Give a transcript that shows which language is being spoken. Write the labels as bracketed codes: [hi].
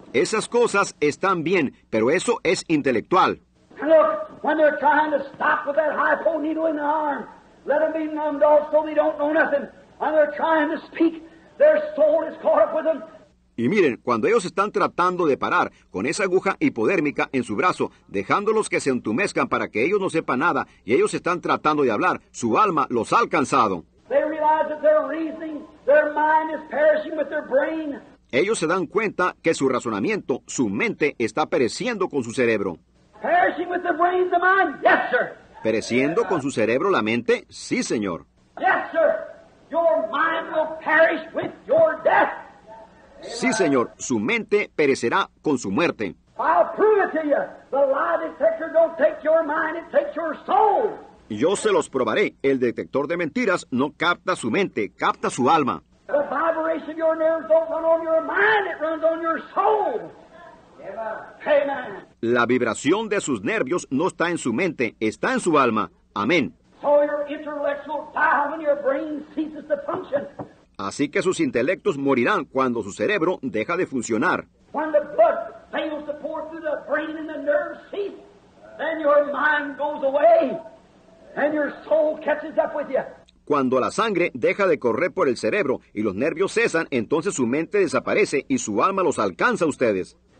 [es] Esas cosas están bien, pero eso es intelectual. [en] Look, when they're trying to stop with that hypo needle in the arm, let them be numbed off so they don't know nothing. When they're trying to speak, their soul is caught up with them. [es] Y miren, cuando ellos están tratando de parar con esa aguja hipodérmica en su brazo, dejándolos que se entumezcan para que ellos no sepan nada, y ellos están tratando de hablar, su alma los ha alcanzado. [en] They realize that their reasoning, their mind is perishing with their brain. [es] Ellos se dan cuenta que su razonamiento, su mente, está pereciendo con su cerebro. [en] Perishing with the brain, the mind. Yes, sir. [es] ¿Pereciendo con su cerebro la mente? Sí, señor. [en] Yes, sir. Your mind will perish with your death. [es] Sí, señor. Su mente perecerá con su muerte. [en] I'll prove it to you. The lie detector don't take your mind, it takes your soul. [es] Yo se los probaré. El detector de mentiras no capta su mente, capta su alma. [en] The vibration of your nerves don't run on your mind, it runs on your soul. Amen. [es] La vibración de sus nervios no está en su mente, está en su alma. Amén. [en] So your intellectual die when your brain ceases to function. [es] Así que sus intelectos morirán cuando su cerebro deja de funcionar. [en] When the blood fails to pour through the brain and the nerves cease, then your mind goes away and your soul catches up with you. [es] Cuando la sangre deja de correr por el cerebro y los nervios cesan, entonces su mente desaparece y su alma los alcanza a ustedes.